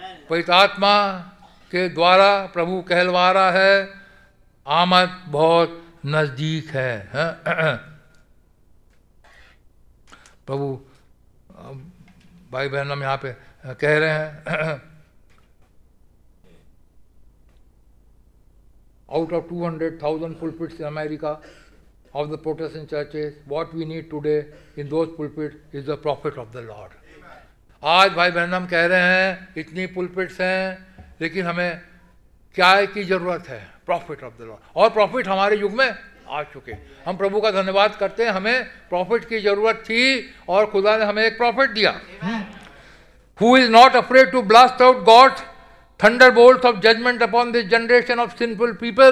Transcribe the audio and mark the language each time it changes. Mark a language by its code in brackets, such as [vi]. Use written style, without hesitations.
[hi] पवित्र आत्मा के द्वारा प्रभु कहलवा रहा है, आमद बहुत नजदीक है. प्रभु भाई बहन हम यहाँ पे कह रहे हैं, [en] Out of 200,000 pulpits in America, of the Protestant churches, what we need today in those pulpits is the prophet of the Lord. [hi] आज भाई बहनम कह रहे हैं इतनी pulpits हैं लेकिन हमें क्या की जरूरत है [en] prophet of the Lord. [hi] और prophet हमारे युग में आ चुके हम प्रभु का धन्यवाद करते हैं हमें prophet की जरूरत थी और खुदा ने हमें एक prophet दिया [en] Who is not afraid to blast out God's thunderbolts of judgment upon this generation of sinful people?